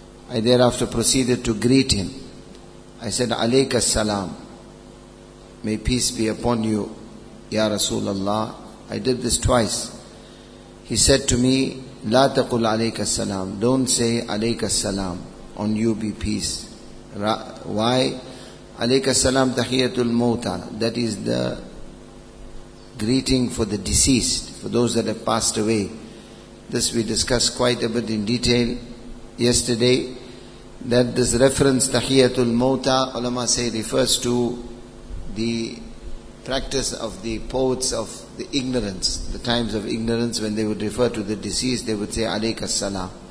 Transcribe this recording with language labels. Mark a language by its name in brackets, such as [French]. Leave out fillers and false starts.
[English] I thereafter proceeded to greet him. I said, [Arabic] alayka salam, [English] may peace be upon you, ya Rasulullah. I did this twice. He said to me, [Arabic] لا تقل عليك السلام. [English] Don't say [Arabic] عليك السلام. [English] On you be peace. Why? [Arabic] عليك السلام تحية الموتى. [English] That is the greeting for the deceased, for those that have passed away. This we discussed quite a bit in detail yesterday. That this reference [Arabic] تحية الموتى, [English] ulama say, refers to the practice of the poets of the ignorance, the times of ignorance, when they would refer to the deceased, they would say [Arabic] alayka salam.